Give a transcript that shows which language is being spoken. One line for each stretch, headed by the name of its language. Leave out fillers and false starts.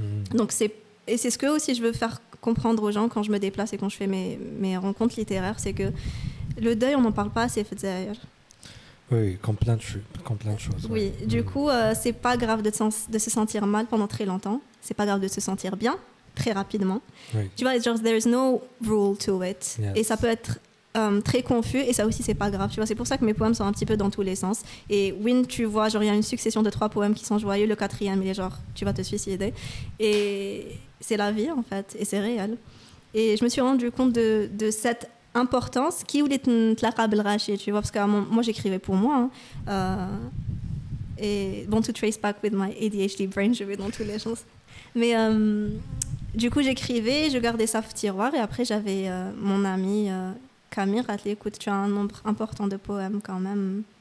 French: Donc, c'est ce que aussi je veux faire comprendre aux gens quand je me déplace et quand je fais mes rencontres littéraires. C'est que le deuil, on n'en parle pas assez, fait d'ailleurs. Oui, comme plein de choses. Ouais. Oui, du coup, c'est pas grave de se sentir mal pendant très longtemps. C'est pas grave de se sentir bien, très rapidement. Oui. Tu vois,
English: it's just, there is no rule to it. Yes.
French: Et ça peut être très confus, et ça aussi, c'est pas grave. Tu vois, c'est pour ça que mes poèmes sont un petit peu dans tous les sens. Et Wynne, tu vois, genre, il y a une succession de 3 poèmes qui sont joyeux, le 4e, il est genre, tu vas te suicider. Et c'est la vie, en fait, et c'est réel. Et je me suis rendu compte de cette importance qui voulait te la rabelracher, tu vois, parce que moi j'écrivais pour moi, et bon,
English: to trace back with my ADHD brain,
French: je vais dans tous les sens, mais du coup j'écrivais, je gardais ça au tiroir, et après j'avais mon ami Camille, elle dit, écoute, tu as un nombre important de poèmes quand même,